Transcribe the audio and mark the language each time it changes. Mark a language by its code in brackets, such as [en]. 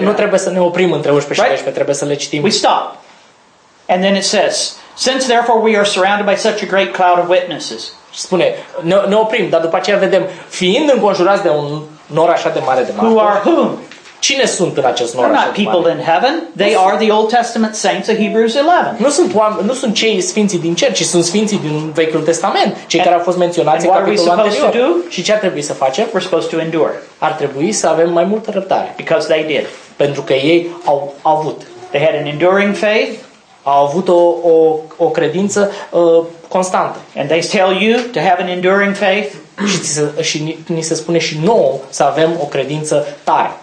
[ro] Nu trebuie să ne oprim între 11 și 12, trebuie să le citim. [en] We stop. And then it says, since therefore we are surrounded by such a great cloud of witnesses. [ro] Spune, ne oprim, dar după aceea vedem, fiind înconjurați de un nor așa de mare de martori. [en] Who are whom? [ro] Cine sunt în acest nou așa? [en] They're not people in heaven. They are the Old Testament saints of Hebrews 11. [ro] Nu sunt cei sfinții din cer, ci sunt sfinții din Vechiul Testament, cei care au fost menționați în capitolul anterior. Și ce ar trebui să facem? [en] We're supposed to endure. [ro] Ar trebui să avem mai multă răbdare. [en] Because they did. [ro] Pentru că ei au avut. [en] They had an enduring faith. [ro] Au avut o credință constantă. [en] And they tell you to have an enduring faith. [ro] Și ni se spune și nouă să avem o credință tare.